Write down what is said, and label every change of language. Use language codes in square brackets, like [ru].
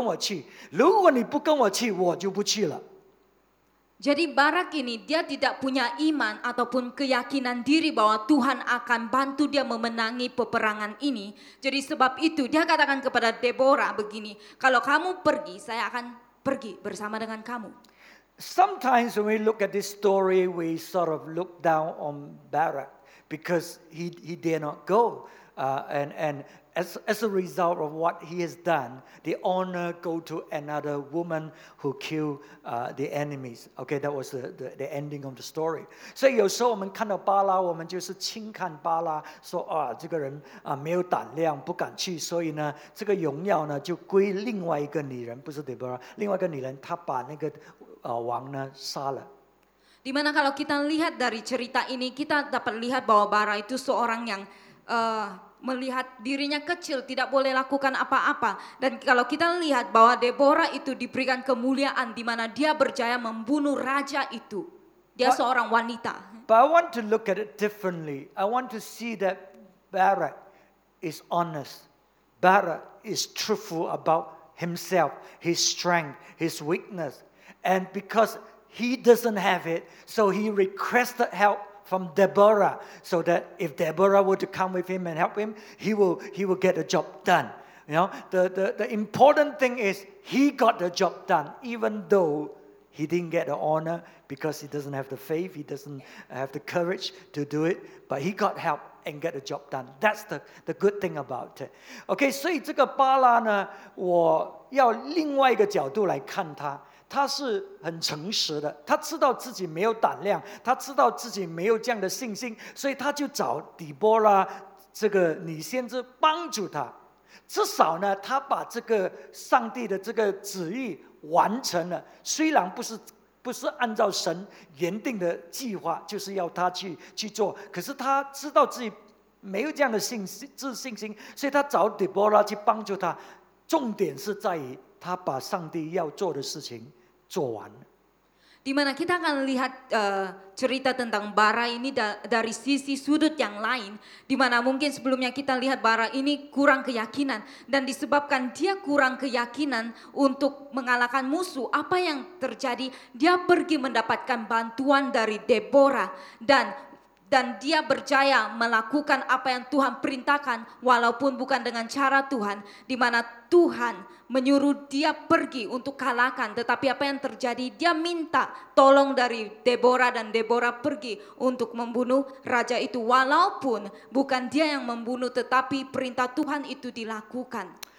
[zh] 所以这个巴拉他对自己没有自信心，他也没有这个信心相信神可以释放，可以帮助他打胜这个战。所以巴拉呢就跟底波拉这个女先知说，可以，我可以去，不过条件是你一定要跟我去。如果你不跟我去，我就不去了。 [ms] Jadi Barak ini dia tidak punya iman ataupun keyakinan diri bahwa Tuhan akan bantu dia memenangi peperangan ini. Jadi sebab itu dia katakan kepada Deborah begini, kalau kamu pergi, saya akan pergi bersama dengan kamu. [en] Sometimes when we look at this story, we sort of look down on Barak because he dare not go. And as a result of what he has done, the honor go to another woman who killed the enemies. Okay, that was the ending of the story. [zh] So, 有时候我们看到巴拉，我们就是轻看巴拉，说啊，这个人啊没有胆量，不敢去。所以呢，这个荣耀呢就归另外一个女人，不是底波拉，另外一个女人，她把那个王呢杀了。 [ms] Dimana kalau kita lihat dari cerita ini, kita dapat lihat bahwa Bara itu seorang yang melihat dirinya kecil, tidak boleh lakukan apa-apa. Dan kalau kita lihat bahwa Deborah itu diberikan kemuliaan di mana dia berjaya membunuh raja itu. Dia but, seorang wanita. [en] But I want to look at it differently. I want to see that Barak is honest. Barak is truthful about himself, his strength, his weakness. And because he doesn't have it, so he requested help from Deborah, so that if Deborah were to come with him and help him, he will get the job done. You know, the important thing is he got the job done, even though he didn't get the honor because he doesn't have the faith, he doesn't have the courage to do it, but he got help and get the job done. That's the good thing about it. [zh] Okay, 所以这个巴拉呢, 我要另外一个角度来看他, 他是很诚实的, 他知道自己没有胆量, 他知道自己没有这样的信心, 所以他就找底波拉, 这个女先知帮助他, 至少呢, 他把这个上帝的这个旨意完成了, 虽然不是 不是按照神原定的计划，就是要他去做。可是他知道自己没有这样的信心，所以他找底波拉去帮助他。重点是在于他把上帝要做的事情做完。Di [ms] mana kita akan lihat cerita tentang Bara ini dari sisi sudut yang lain, di mana mungkin sebelumnya kita lihat Bara ini kurang keyakinan dan disebabkan dia kurang keyakinan untuk mengalahkan musuh, apa yang terjadi? Dia pergi mendapatkan bantuan dari Deborah dan dia berjaya melakukan apa yang Tuhan perintahkan walaupun bukan dengan cara Tuhan, di mana Tuhan menyuruh dia pergi untuk kalahkan, tetapi apa yang terjadi, dia minta tolong dari Deborah dan Deborah pergi untuk membunuh raja itu walaupun bukan dia yang membunuh, tetapi perintah Tuhan itu dilakukan.